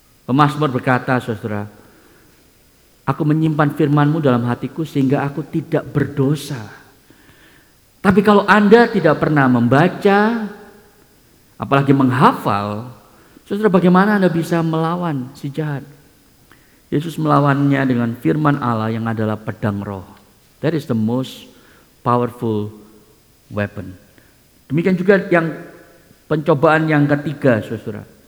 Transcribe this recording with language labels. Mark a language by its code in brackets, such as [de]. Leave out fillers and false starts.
[id] Pemazmur berkata, saudara, aku menyimpan firman-Mu dalam hatiku sehingga aku tidak berdosa. Tapi kalau Anda tidak pernah membaca, apalagi menghafal, saudara, bagaimana Anda bisa melawan si jahat? Yesus melawannya dengan firman Allah yang adalah pedang roh. [en] That is the most powerful weapon. [id] Demikian juga yang pencobaan yang ketiga, saudara.